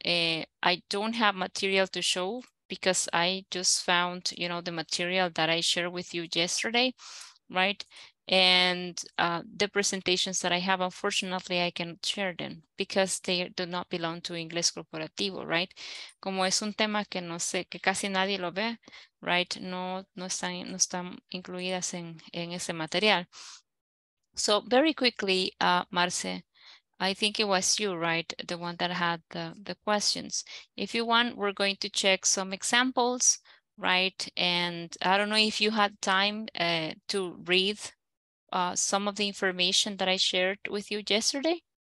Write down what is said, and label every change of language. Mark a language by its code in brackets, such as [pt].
[en] I don't have material to show because I just found, you know, the material that I shared with you yesterday, right? And the presentations that I have, unfortunately, I cannot share them because they do not belong to Inglés Corporativo, right? [es] Como es un tema que no sé, que casi nadie lo ve, [en] right? [es] No están incluidas en ese material. [en] So very quickly, Marce, I think it was you, right? The one that had the questions. If you want, we're going to check some examples, right? And I don't know if you had time to read some of the information that I shared with you yesterday.